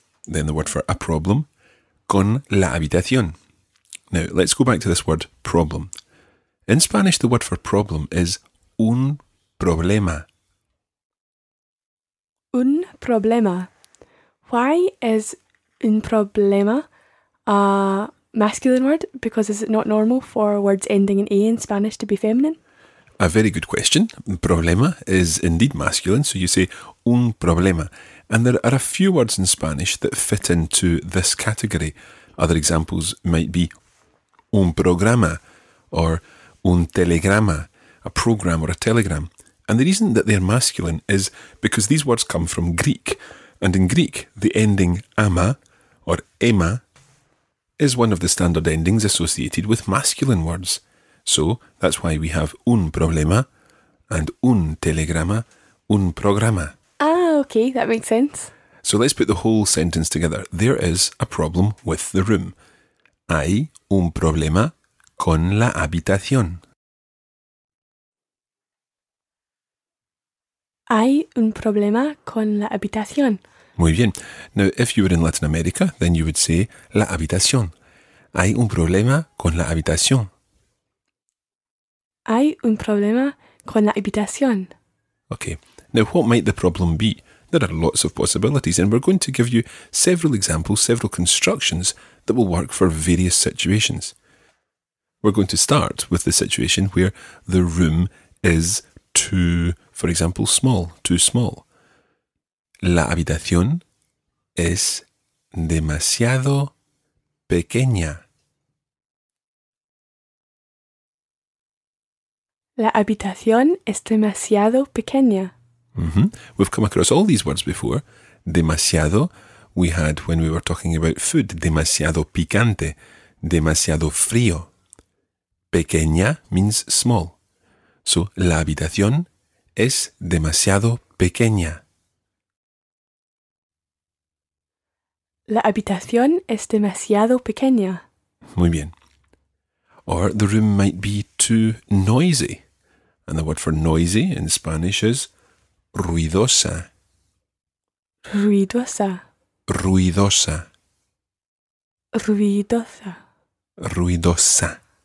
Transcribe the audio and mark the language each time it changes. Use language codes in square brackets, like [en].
[en] Then the word for a problem, [es] con la habitación. [en] Now, let's go back to this word, problem. In Spanish, the word for problem is un problema. Un problema. Why is un problema a masculine word? Because is it not normal for words ending in A in Spanish to be feminine? A very good question. Problema is indeed masculine, so you say un problema. And there are a few words in Spanish that fit into this category. Other examples might be un programa or un telegrama, a program or a telegram. And the reason that they're masculine is because these words come from Greek. And in Greek, the ending ama or ema is one of the standard endings associated with masculine words. So that's why we have un problema and un telegrama, un programa. Okay, that makes sense. So let's put the whole sentence together. There is a problem with the room. [es] Hay un problema con la habitación. Hay un problema con la habitación. Muy bien. [en] Now, if you were in Latin America, then you would say la habitación. [es] Hay un problema con la habitación. Hay un problema con la habitación. [en] Okay. Now, what might the problem be? There are lots of possibilities, and we're going to give you several examples, several constructions that will work for various situations. We're going to start with the situation where the room is too, for example, small, too small. [es] La habitación es demasiado pequeña. La habitación es demasiado pequeña. Mm-hmm. [en] We've come across all these words before. Demasiado, we had when we were talking about food. [es] Demasiado picante. Demasiado frío. [en] Pequeña means small. [es] So, la habitación es demasiado pequeña. La habitación es demasiado pequeña. Muy bien. [en] Or the room might be too noisy. And the word for noisy in Spanish is ruidosa. [es] Ruidosa. Ruidosa. Ruidosa. Ruidosa.